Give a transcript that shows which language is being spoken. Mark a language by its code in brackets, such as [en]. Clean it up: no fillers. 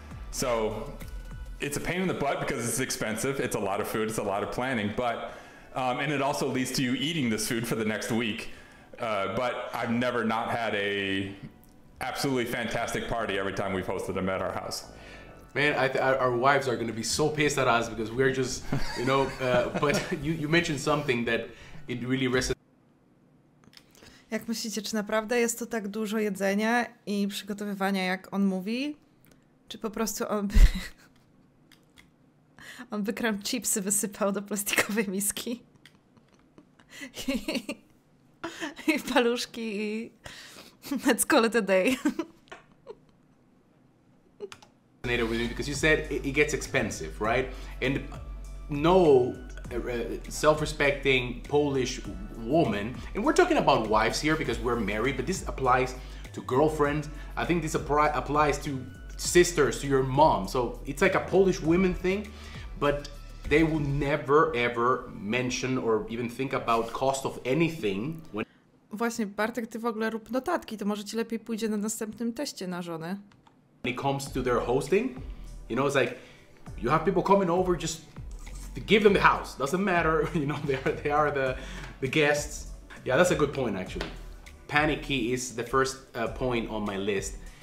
[en] So it's a pain in the butt because it's expensive, it's a lot of food, it's a lot of planning, but, and it also leads to you eating this food for the next week, but I've never not had a absolutely fantastic party every time we've hosted them at our house. Man, our wives are going to be so pissed at us because we're just, you know, but you mentioned something that it really resonates. [pl] Jak myślicie, czy naprawdę jest to tak dużo jedzenia i przygotowywania, jak on mówi? Czy po prostu on by kram chipsy wysypał do plastikowej miski? I paluszki i... [en] Let's call it a day. Resonated with me because you said it gets expensive, right? And no self-respecting Polish woman, and we're talking about wives here because we're married, but this applies to girlfriends. I think this applies to sisters, to your mom. So it's like a Polish women thing, but they will never ever mention or even think about cost of anything when... [pl] Właśnie, Bartek, ty w ogóle rób notatki, to może ci lepiej pójdzie na następnym teście na żonę. [en] When it comes to their hosting, you know, it's like, you have people coming over, just give them the house. Doesn't matter, you know, they are the guests. Yeah, that's a good point, actually. Panicky is the first point on my list.